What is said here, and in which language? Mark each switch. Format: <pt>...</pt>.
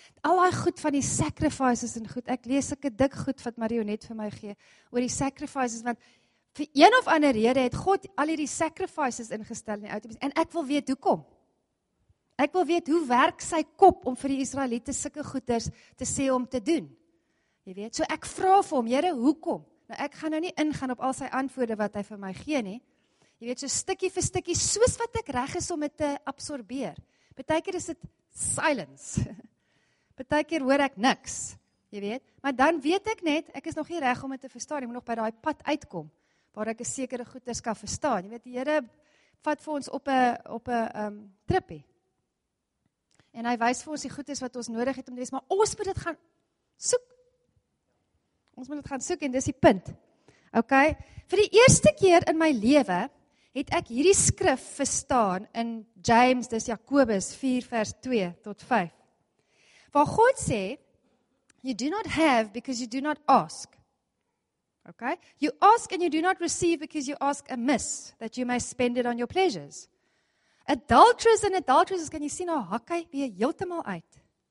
<af>Al daai goed van die sacrifices en goed. Ek lees sulke dik goed wat Marionet vir my gee oor die sacrifices, want vir een of ander rede het God al hierdie sacrifices ingestel in die outomies. En ek wil weet hoekom. Ek wil weet hoe werk sy kop om vir die Israeliete sulke goeders te sê om te doen. Jy weet, so ek vra vir hom, Here, hoekom? Nou ek gaan nou nie ingaan op al sy antwoorde wat hy vir my gee nie. Jy weet, so stikkie vir stikkie, soos wat ek reg is om dit te absorbeer. Partykeer is dit silence. Partykeer hoor ek niks, jy weet. Maar dan weet ek net, ek is nog nie reg om dit te verstaan. Ek moet nog by daai pad uitkom, waar ek 'n sekere goeders kan verstaan. Jy weet, die Here vat vir ons op 'n trippie. En hy wys vir ons die goeders wat ons nodig het om te wees. Maar ons moet dit gaan soek. Ons moet dit gaan soek en dis die punt. Ok, vir die eerste keer in my lewe het ek hierdie skrif verstaan in James, dis Jakobus 4 vers 2 tot 5. Waar God sê,</af> <en>you do not have because you do not ask. Ok, you ask and you do not receive because you ask amiss, that you may spend it on your pleasures. Adulterers and adulteresses,</en> <af>kan jy sien, nou hak hy weer heeltemal uit.</af>